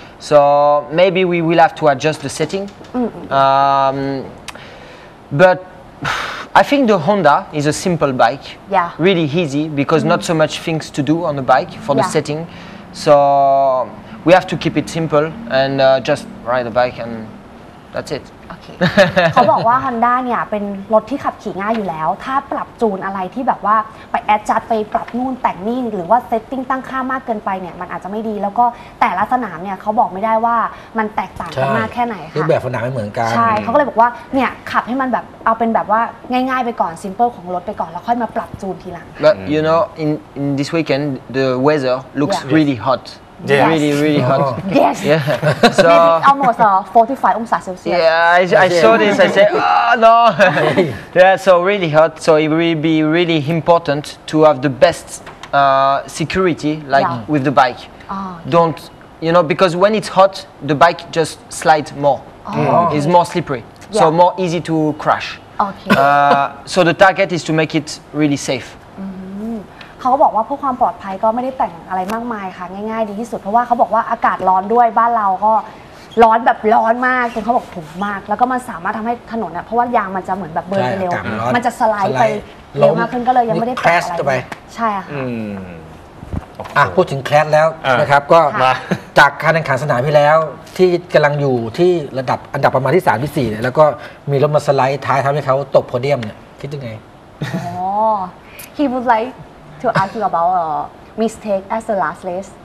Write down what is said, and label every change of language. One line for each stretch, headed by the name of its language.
English: So maybe we will have to adjust the setting. But I think the Honda is a simple bike, really easy because not so much things to do on the bike for the setting. So we have to keep it simple and just ride the bike and That's it.
Thai: เขาบอกว่า Honda เนี่ยเป็นรถที่ขับขี่ง่ายอยู่แล้วถ้าปรับจูนอะไรที่แบบว่าไปแอดจัดไปปรับนู่นแต่งนี่หรือว่าเซตติ้งตั้งค่ามากเกินไปเนี่ยมันอาจจะไม่ดีแล้วก็แต่ละสนามเนี่ยเขาบอกไม่ได้ว่ามันแตกต่างกันมากแค่ไหนค่ะ รูปแบบสนามไม่เหมือนกัน ใช่เขาก็เลยบอกว่าเนี่ยขับให้มันแบบเอาเป็นแบบว่าง่ายๆไปก่อน simple ของรถไปก่อนแล้วค่อยมาปรับจูนทีหลัง
English: But you know in this weekend the weather looks yeah. really hot Yes. Really, really hot. Yes. Yeah. So almost 45 Celsius. Yeah, I saw this. I said, oh no. Yeah. So really hot. So it will be really important to have the best security, like yeah. with the bike. Oh, yeah. Don't you know? Because when it's hot, the bike just slides more. Oh. Mm. It's more slippery. Yeah. So more easy to crash. Okay. So the target is to make it really safe.
Thai: เขาบอกว่าเพื่อความปลอดภัยก็ไม่ได้แต่งอะไรมากมายค่ะง่ายๆดีที่สุดเพราะว่าเขาบอกว่าอากาศร้อนด้วยบ้านเราก็ร้อนแบบร้อนมากจนเขาบอกถุงมากแล้วก็มันสามารถทำให้ถนนเนี่ยเพราะว่ายางมันจะเหมือนแบบเบิร์นไปเร็วมันจะสไลด์ไปเร็วมากขึ้นก็เลยยังไม่ได้ แต่ง อะไร ใช่ค่ะ พูดถึงแคลสแล้วนะครับก็ มา จากการแข่งขันสนามที่แล้วที่กำลังอยู่ที่ระดับอันดับประมาณที่สามที่สี่เนี่ยแล้วก็มีรถมาสไลด์ท้ายทำให้เขาตกโพเดียมเนี่ยคิดยังไง อ๋อ
English: he would likeTo ask you about a mistake as the last race.